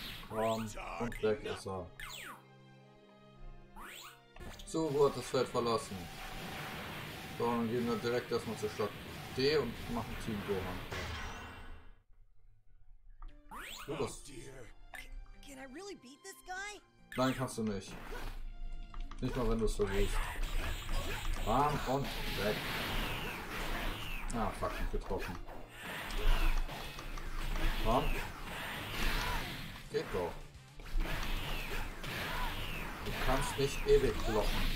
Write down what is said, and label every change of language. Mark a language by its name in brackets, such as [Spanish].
[German] Bam, und weg ist er. So, wo hat das Feld verlassen? So, dann gehen wir direkt erstmal zur Stadt D und machen Team Gohan. Du das? [English] Can I really beat this guy? [German] Nein, kannst du nicht. Nicht mal, wenn du es versuchst. Bam und weg. Ah, fuck, nicht getroffen. Bam. Geht doch. Du kannst nicht ewig blocken.